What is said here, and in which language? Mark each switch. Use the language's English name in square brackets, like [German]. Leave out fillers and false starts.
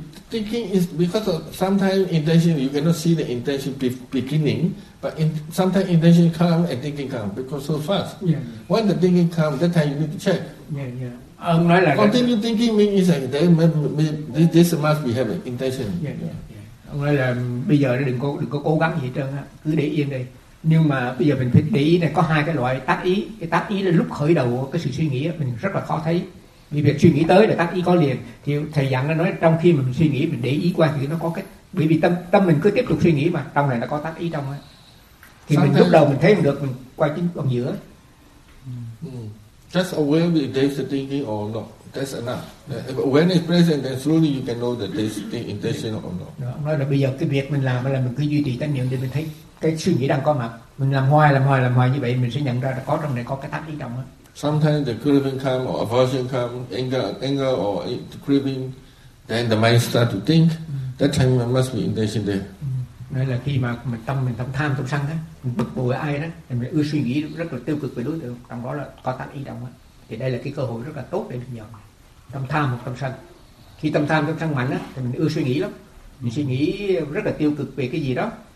[English] Thinking is because of sometimes intention, you cannot see the intention beginning, but sometimes intention come and thinking come because so fast. Yeah. When the thinking come, that time you need to check. [Vietnamese] Yeah. Ông nói là [English] continue that, thinking means like this must be having intention. Yeah. [Vietnamese] Ông nói là bây giờ đừng có cố gắng gì hết trơn á, cứ để yên đi. Nhưng mà bây giờ mình phải để ý này, có hai cái loại tác ý. Cái tác ý là lúc khởi đầu cái sự suy nghĩ mình rất là khó thấy. Vì việc suy nghĩ tới là tác ý có liền. Thì thầy dặn nó nói trong khi mà mình suy nghĩ, mình để ý qua thì nó có cái. Bởi vì tâm mình cứ tiếp tục suy nghĩ mà trong này nó có tác ý trong á. Thì sometimes, mình lúc đầu mình thấy mình được, mình quay chính còn giữa. [English] Just aware that there's a thinking or not. That's enough. When it's present, then slowly you can know that there's the intention or not. [Vietnamese] Ông nói là bây giờ cái việc mình làm là mình cứ duy trì tánh niệm để mình thấy cái suy nghĩ đang có mặt. Mình làm hoài như vậy, mình sẽ nhận ra là có trong này có cái tác ý trong á. [English] Sometimes the craving come or aversion come, anger or the craving, then the mind start to think. That time must be intention there. [Vietnamese] Nói là khi mà tâm tham tâm sân đó, mình bực bội ai đó, thì mình ưa suy nghĩ rất là tiêu cực về đối tượng, trong đó là có tác ý động á. Thì đây là cái cơ hội rất là tốt để mình nhận tâm tham hoặc tâm sân. Khi tâm sân mạnh á, thì mình ưa suy nghĩ lắm, mình suy nghĩ rất là tiêu cực về cái gì đó.